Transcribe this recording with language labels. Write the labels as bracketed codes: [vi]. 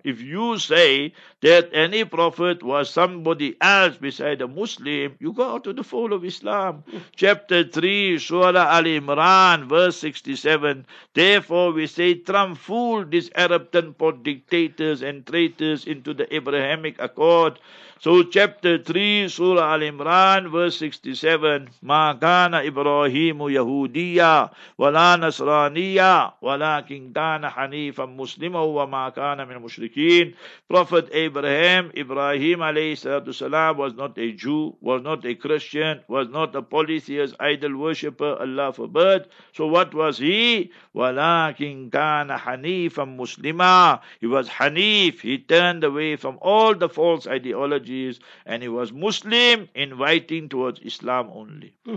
[en] If you say that any prophet was somebody else beside a Muslim, you go out to the fold of Islam. Chapter 3, Surah Ali Imran, verse 67. Therefore we say, Trump fooled these Arab tenpot dictators and traitors into the Abrahamic Accord. So chapter 3, Surah Ali Imran, verse 67. [ar] Ma kana Ibrahimu Yahudiya ولا نصرانية ولكن كان حنيفا مسلما وما كان من المشركين. [en] Prophet Abraham, Ibrahim alayhi salam, was not a Jew, was not a Christian, was not a polytheist idol worshipper, Allah forbid. So what was he? [ar] ولكن كان حنيفا مسلما. [en] He was Hanif. He turned away from all the false ideologies, and he was Muslim, inviting towards Islam only.